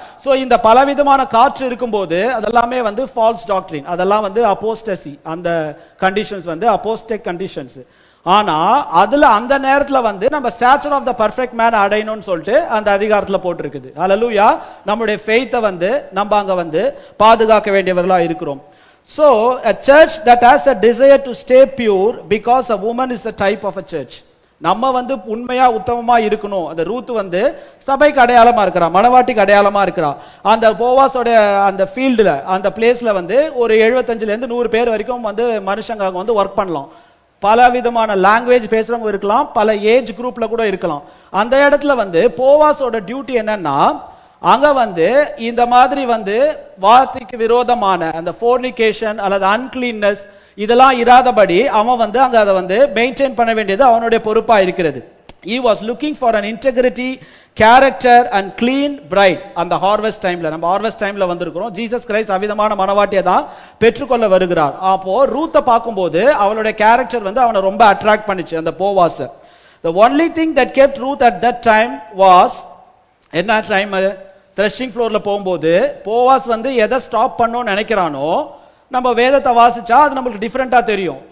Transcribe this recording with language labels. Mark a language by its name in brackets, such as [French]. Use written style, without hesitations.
[Tamil] So இந்த பலவிதமான காற்று இருக்கும்போது அதெல்லாமே வந்து ஃபால்ஸ் டாக்டரின், அதெல்லாம் வந்து அப்போஸ்டசி. அந்த கண்டிஷன்ஸ் வந்து அப்போஸ்டேக் கண்டிஷன்ஸ். ஆனா அதுல அந்த நேரத்துல வந்து நம்ம [English] stature of the perfect man [Tamil] அடையணும்னு சொல்லிட்டு அந்த அதிகாரத்துல போட்டிருக்குது. ஹல்லேலூயா. நம்முடைய ஃபெய்த்தை வந்து நம்ம அங்க வந்து பாதுகாக்க வேண்டியவர்களா இருக்கிறோம். [English] So, a church that has a desire to stay pure because a woman is the type of a church. [Tamil] நம்ம வந்து உண்மையா உத்தமமா இருக்கணும். அந்த ரூத் வந்து சபைக்கு அடையாளமா இருக்கிறா, மனவாட்டிக்கு அடையாளமா இருக்கிறா. அந்த போவாசோட அந்த ஃபீல்டுல, அந்த பிளேஸ்ல வந்து ஒரு 75-100 பேர் வரைக்கும் வந்து மனுஷங்க அங்க வந்து ஒர்க் பண்ணலாம். பல விதமான லாங்குவேஜ் பேசுறவங்க இருக்கலாம், பல ஏஜ் குரூப்ல கூட இருக்கலாம். அந்த இடத்துல வந்து போவாசோட டியூட்டி என்னன்னா, அங்க வந்து இந்த மாதிரி வந்து வார்த்தைக்கு விரோதமான அந்த ஃபோர்னிகேஷன் அல்லது அன்கிளீன்னஸ் இதெல்லாம் இராதபடி அவன் வந்து அங்க அதை வந்து மெயின்டைன் பண்ண வேண்டியது அவனுடைய பொறுப்பா இருக்கிறது. [English] He was looking for an integrity, character and clean bride on the harvest time. [Tamil] நம்ம ஹார்வெஸ்ட் டைம்ல வந்திருக்கிறோம். ஜீசஸ் கிரைஸ்ட் அவிதமான மனவாட்டியை தான் பெற்றுக்கொள்ள வருகிறார். அப்போ ரூத்தை பார்க்கும்போது அவளுடைய கேரக்டர் வந்து அவனை ரொம்ப அட்ராக்ட் பண்ணிச்சு. அந்த Boaz, [English] the only thing that kept Ruth at that time was [Tamil] என்ன டைம் த்ரெஷிங் ஃப்ளோர்ல போகும்போது போவாஸ் வந்து எதை ஸ்டாப் பண்ணணும்னு நினைக்கிறானோ, நம்ம வேதத்தை வாசிச்சா அது நம்மளுக்கு டிஃப்ரெண்டா தெரியும்.